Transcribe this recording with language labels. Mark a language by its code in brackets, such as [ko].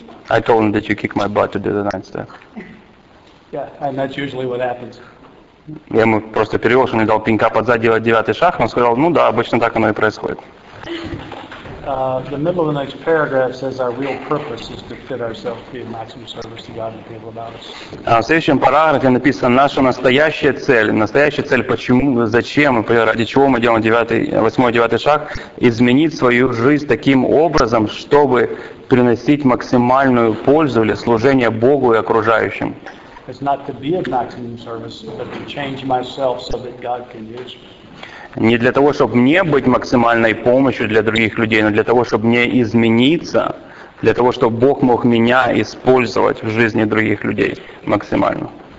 [en] I told him that you kicked my butt to do the 9th step. Yeah, and that's usually what happens. [ru] Я ему просто перевел, что он дал пинка под зад делать 9-й шаг, он сказал, ну да, обычно так оно и происходит. [en] The middle of the next paragraph says our real purpose is to fit ourselves to be of maximum service to God and people about us. [ru] В следующем параграфе написано наша настоящая цель, почему, зачем, ради чего мы делаем 8-й и 9-й шаг, изменить свою жизнь таким образом, чтобы приносить максимальную пользу или служение Богу и окружающим. [en] It's not to be of maximum service, but to change myself so that God can use me. [ru] Не для того, чтобы мне быть максимальной помощью для других людей, но для того, чтобы мне измениться, для того, чтобы Бог мог меня использовать в жизни других людей максимально.